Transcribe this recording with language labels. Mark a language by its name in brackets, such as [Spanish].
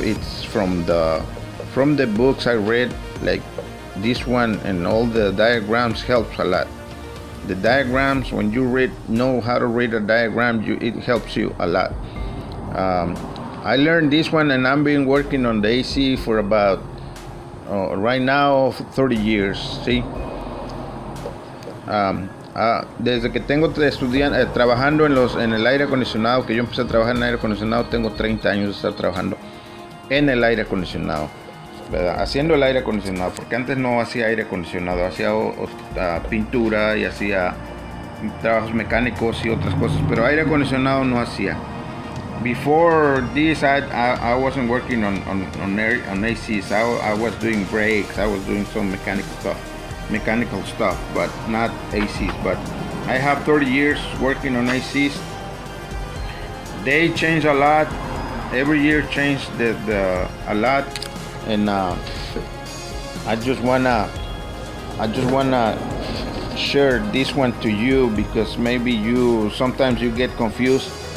[English] It's from the books I read, like this one, and all the diagrams helps a lot. The diagrams, when you know how to read a diagram, it helps you a lot. I learned this one, and I've been working on the AC for about right now 30 years, see? [Spanish] Desde que tengo trabajando en el aire acondicionado, que yo empecé a trabajar en aire acondicionado, tengo 30 años de estar trabajando en el aire acondicionado, ¿verdad? Haciendo el aire acondicionado, porque antes no hacía aire acondicionado, hacía pintura y hacía trabajos mecánicos y otras cosas, pero aire acondicionado no hacía. [English] Before this, I wasn't working on ACs. I was doing brakes, I was doing some mechanical stuff, but not ACs. But I have 30 years working on ACs. They change a lot. Every year change the a lot. And I just wanna share this one to you, because maybe sometimes you get confused.